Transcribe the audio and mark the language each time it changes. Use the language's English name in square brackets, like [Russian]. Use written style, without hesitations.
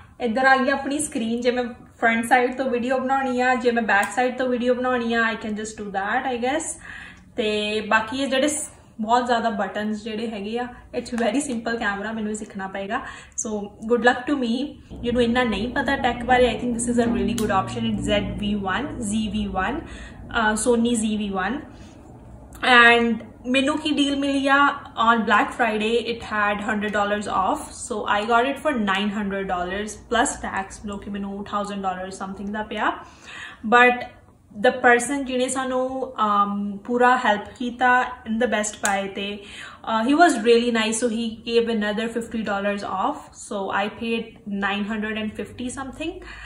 [Punjabi] ਇੱਧਰ ਆ ਗਈ ਆਪਣੀ ਸਕਰੀਨ, ਜੇ ਮੈਂ ਫਰੰਟ ਸਾਈਡ ਤੋਂ ਵੀਡੀਓ ਬਣਾਉਣੀ ਆ, ਜੇ ਮੈਂ ਬੈਕ ਸਾਈਡ ਤੋਂ ਵੀਡੀਓ ਬਣਾਉਣੀ ਆ, [English] I can just do that I guess. [Punjabi] ਅਤੇ ਬਾਕੀ ਇਹ ਜਿਹੜੇ ਬਹੁਤ ਜ਼ਿਆਦਾ ਬਟਨਸ ਜਿਹੜੇ ਹੈਗੇ ਆ, [English] it's very simple camera, [Punjabi] ਮੈਨੂੰ ਵੀ ਸਿੱਖਣਾ ਪਏਗਾ. [English] so good luck to me, [Punjabi] ਜਿਹਨੂੰ ਇੰਨਾ ਨਹੀਂ ਪਤਾ ਟੈਕ ਬਾਰੇ. [English] I think this is a really good option. It ZV-1, ZV-1, Sony ZV-1. [Punjabi] And ਮੈਨੂੰ ਕੀ ਡੀਲ ਮਿਲੀ ਆ, [English] on Black Friday it had $100 off, so I got it for $900 plus tax, [Punjabi] ਜੋ ਕਿ ਮੈਨੂੰ [English] $1,000 something [Punjabi] ਦਾ ਪਿਆ. [English] but the person [Punjabi] ਜਿਹਨੇ ਸਾਨੂੰ ਪੂਰਾ ਹੈਲਪ ਕੀਤਾ [English] In the Best Buy, ਅਤੇ he was really nice, so he gave another $50 off, so I paid $950 something.